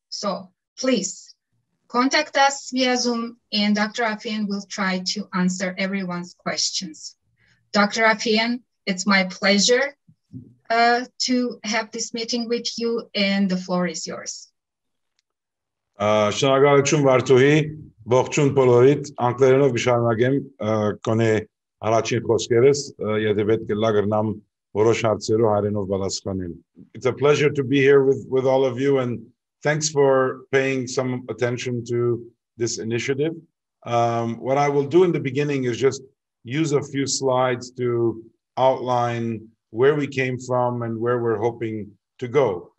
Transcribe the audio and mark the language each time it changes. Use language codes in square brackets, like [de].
[en] So please, contact us via Zoom and Dr. Afeyan will try to answer everyone's questions. Dr. Afeyan, it's my pleasure to have this meeting with you and the floor is yours. [hy] Շնորհակալություն Վարդուհի, ողջույն բոլորիդ, անկերներով կշարունակեմ կոնե առաջին խոսքերս, եթե պետք է լագրնամ որոշ հարցերով հայերենով պատասխանեմ. [en] It's a pleasure to be here with all of you and thanks for paying some attention to this initiative. What I will do in the beginning is just use a few slides to outline where we came from and where we're hoping to go.